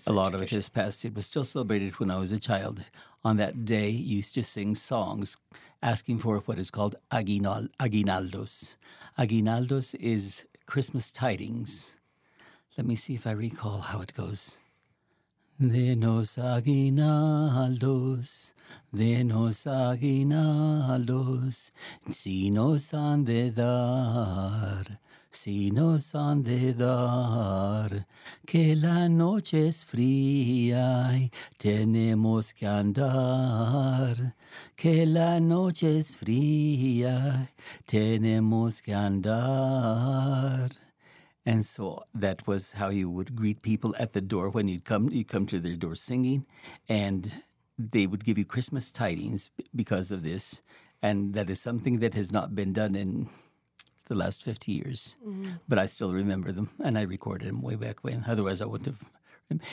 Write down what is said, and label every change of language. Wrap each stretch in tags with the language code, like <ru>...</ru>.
<en>A lot of it has passed. It was still celebrated when I was a child. On that day, you used to sing songs asking for what is called aguinaldos. Aguinaldos is Christmas tidings. Let me see if I recall how it goes.</en> <es>Denos aguinaldos, denos aguinaldos, si nos han de dar, si nos han de dar, que la noche es fría y tenemos que andar, que la noche es fría y tenemos que andar.</es> <en>And so that was how you would greet people at the door when you'd come to their door singing, and they would give you Christmas tidings because of this. And that is something that has not been done in the last 50 years. Mm-hmm. But I still remember them, and I recorded them way back when. Otherwise, I wouldn't have.</en>